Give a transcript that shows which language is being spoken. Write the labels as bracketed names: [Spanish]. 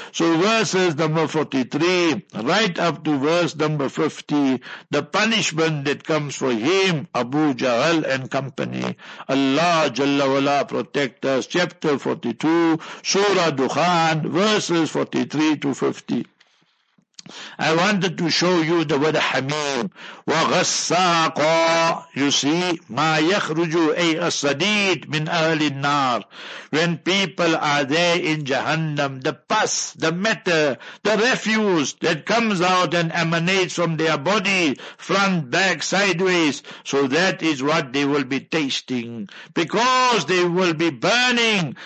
[English] So verses number 43, right up to verse number 50, the punishment that comes for him, Abu Jahl and company. Allah Jalla Wala protect us. Chapter 42, Surah Dukhan, verses 43 to 50. I wanted to show you the word Hamim. [Arabic] وغساقا, [English] you see, [Arabic] ما يخرج أي الصديد من أهل النار. [English] When people are there in Jahannam, the pus, the matter, the refuse that comes out and emanates from their body, front, back, sideways. So that is what they will be tasting. Because they will be burning.